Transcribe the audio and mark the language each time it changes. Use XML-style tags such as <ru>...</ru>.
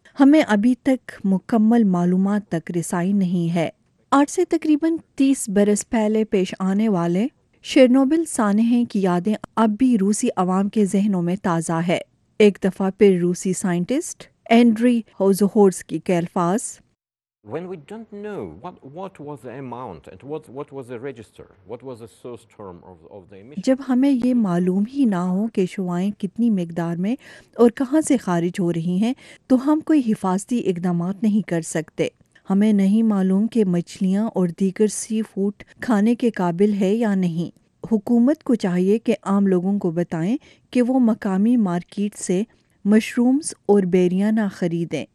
<ur>ہمیں ابھی تک مکمل معلومات تک رسائی نہیں ہے. آج سے تقریباً 30 برس پہلے پیش آنے والے شیرنوبل سانحے کی یادیں اب بھی روسی عوام کے ذہنوں میں تازہ ہے. ایک دفعہ پھر روسی سائنٹسٹ اینڈری ہوزہورسکی کے الفاظ.</ur> <en>When we don't know what was the amount and what was the register, what was the source term of the emission,</en> <ur>جب ہمیں یہ معلوم ہی نہ ہو کہ شعائیں کتنی مقدار میں اور کہاں سے خارج ہو رہی ہیں, تو ہم کوئی حفاظتی اقدامات نہیں کر سکتے. ہمیں نہیں معلوم کہ مچھلیاں اور دیگر سی فوڈ کھانے کے قابل ہے یا نہیں. حکومت کو چاہیے کہ عام لوگوں کو بتائیں کہ وہ مقامی مارکیٹ سے مشرومز اور بیریاں نہ خریدیں.</ur>